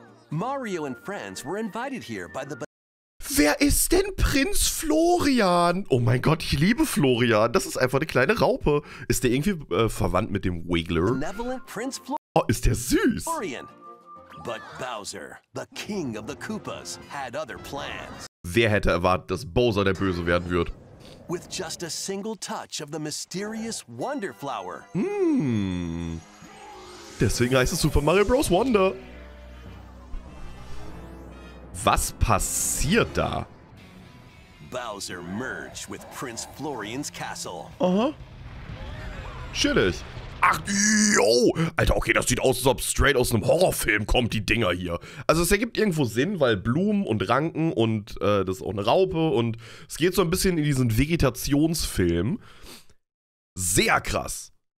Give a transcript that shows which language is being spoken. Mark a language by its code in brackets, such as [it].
[en] Mario and friends were invited here by the... [de] Wer ist denn Prinz Florian? Oh mein Gott, ich liebe Florian. Das ist einfach eine kleine Raupe. Ist der irgendwie verwandt mit dem Wiggler? Oh, ist der süß. [en] But Bowser, the king of the Koopas, had other plans. [de] Wer hätte erwartet, dass Bowser der Böse werden wird? [en] With just a single touch of the mysterious Wonder Flower. [de] Deswegen heißt es Super Mario Bros. [en] Wonder. [de] Was passiert da? [en] Bowser merged with Prince Florian's castle. [de] Aha. Chillig. Ach, yo. Alter, okay, das sieht aus, als ob straight aus einem Horrorfilm kommt, die Dinger hier. Also es ergibt irgendwo Sinn, weil Blumen und Ranken und das ist auch eine Raupe. Und es geht so ein bisschen in diesen Vegetationsfilm. Sehr krass.